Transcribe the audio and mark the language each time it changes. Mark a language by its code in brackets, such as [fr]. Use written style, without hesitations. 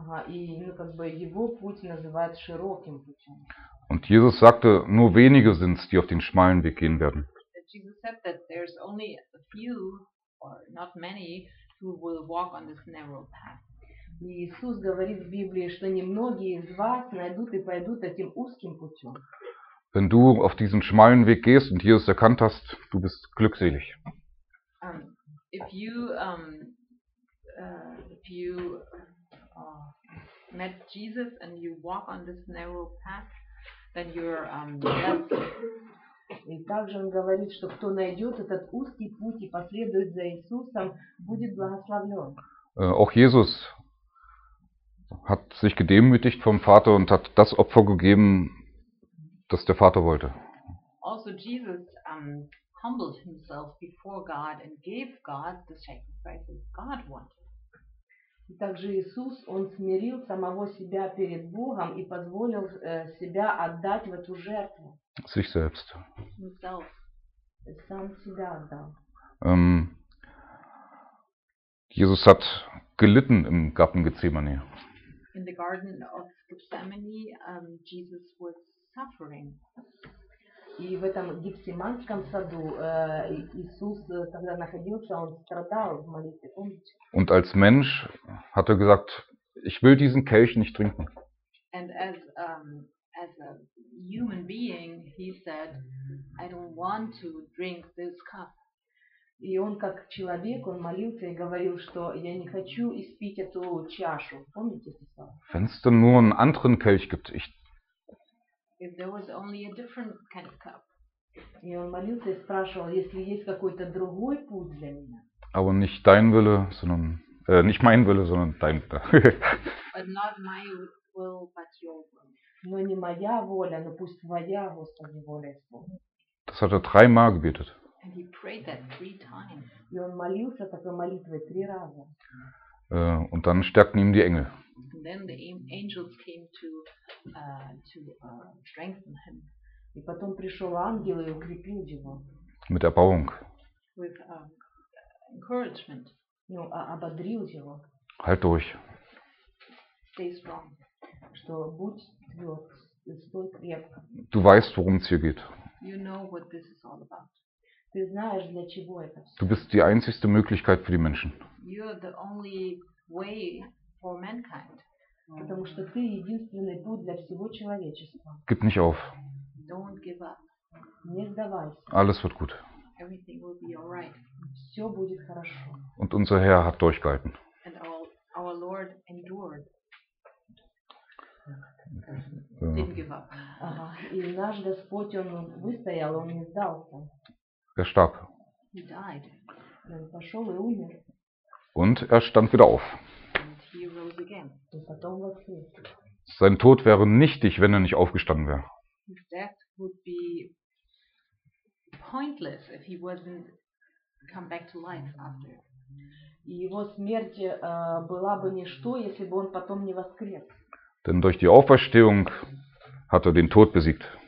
[ru] И ну, как бы его путь называют широким путем. [de] Und Jesus sagte, nur wenige sind's, die auf den schmalen Weg gehen werden. [en] Jesus said that there's only a few or not many who will walk on this narrow path. [ru] Иисус говорит в Библии, что немногие из вас найдут и пойдут этим узким путем. [de] Wenn du auf diesen schmalen Weg gehst und Jesus erkannt hast, du bist glückselig. [en] If you met Jesus and you walk on this narrow path, then you're blessed. [ru] И также он говорит, что кто найдет этот узкий путь и последует за Иисусом, будет благословлен. [de] Auch Jesus hat sich gedemütigt vom Vater und hat das Opfer gegeben, das der Vater wollte. [en] Also Jesus humbled himself before God and gave God the sacrifice that God wanted. [ru] И также Иисус, он смирил самого себя перед Богом и позволил себя отдать в эту жертву. [de] Sich selbst. [en] Himself. [ru] Сам себя отдал. [de] Jesus hat gelitten im Garten Gethsemane. [en] In the Garden of Gethsemane, Jesus was suffering. [ru] И в этом Гефсиманском саду Иисус, когда находился, он страдал в молитве. Помните? [de] Und als Mensch hat er gesagt, ich will diesen Kelch nicht trinken. [en] And as a human being, he said, I don't want to drink this cup. [ru] И он как человек, он молился и говорил, что я не хочу испить эту чашу. Помните это слово? [de] Wenn es denn nur einen anderen Kelch gibt, ich... [en] If there was only a different kind of cup. [ru] И он молился и спрашивал, если есть какой-то другой путь для меня. [de] Aber nicht dein Wille, sondern... nicht mein Wille, sondern dein Wille. [en] But not my will, but your will. [ru] Но не моя воля, но пусть твоя, Господи, воля исполнится. [de] Das hat er dreimal gebetet. [en] And he prayed that three times. [ru] И он молился такой молитвой три раза. [de] Und dann stärkten ihm die Engel. [en] And then the angels came to strengthen him. [ru] И потом пришел ангел и укрепил его. [de] Mit Erbauung. [en] With encouragement. [ru] Ну, ободрил его. [de] Halt durch. [en] stay strong. [ru] Что будь твёрд, стой крепко. [de] Du weißt, worum es hier geht. [en] You know what this is all about. [ru] Ты знаешь, для чего это всё. [de] Du bist die einzigste Möglichkeit für die Menschen. [en] You're the only way for mankind. [ru] Потому что ты единственный путь для всего человечества. [de] Gib nicht auf. [en] Don't give up. [ru] Не сдавайся. [de] Alles wird gut. [en] Everything will be all right. [ru] Все будет хорошо. [de] Und unser Herr hat durchgehalten. [en] And our Lord endured. Didn't give up. [ru] И наш Господь, он выстоял, он не сдался. [de] Er starb. [en] He died. [ru] Он пошел и умер. [de] Und er stand wieder auf. [en] And he rose again. [de] Und [ru] потом воскрес. [de] Sein Tod wäre nichtig, wenn er nicht aufgestanden wäre. [en] His death would be pointless if he wasn't come back to life after. [ru] Его смерть была бы ничто, если бы он потом не воскрес. [de] Denn durch die Auferstehung hat er den Tod besiegt.